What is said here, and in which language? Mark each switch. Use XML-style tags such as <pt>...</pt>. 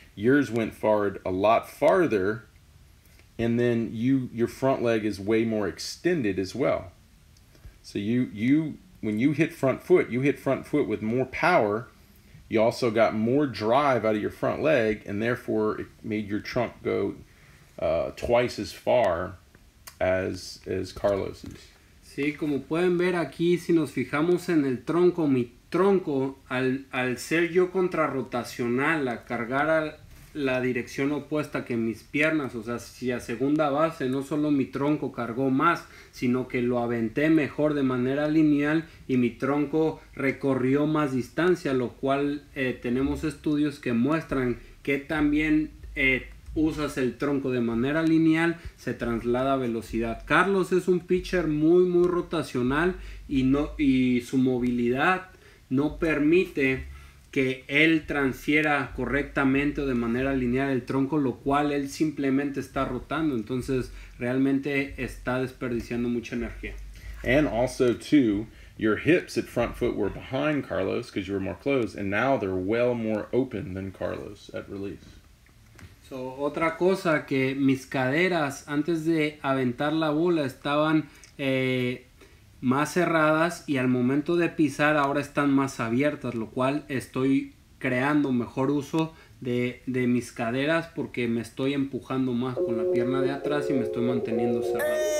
<en>Yours went forward a lot farther, and then your front leg is way more extended as well. So you when you hit front foot, with more power. You also got more drive out of your front leg, and therefore it made your trunk go twice as far as Carlos's.</en> <es>Sí, como pueden ver aquí, si nos fijamos en el tronco, mi tronco, al ser yo contrarrotacional, a cargar a la dirección opuesta que mis piernas, o sea, si a segunda base, no solo mi tronco cargó más, sino que lo aventé mejor de manera lineal y mi tronco recorrió más distancia, lo cual tenemos estudios que muestran que también usas el tronco de manera lineal, se traslada a velocidad. Carlos es un pitcher muy muy rotacional y no, y su movilidad no permite que él transfiera correctamente o de manera lineal el tronco, lo cual él simplemente está rotando, entonces realmente está desperdiciando mucha energía.</es> <en>And also too, your hips at front foot were behind Carlos because you were more closed, and now they're well more open than Carlos at release.</en> <es>So, otra cosa, que mis caderas antes de aventar la bola estaban más cerradas y al momento de pisar ahora están más abiertas, lo cual estoy creando mejor uso de mis caderas porque me estoy empujando más con la pierna de atrás y me estoy manteniendo cerrado.</es>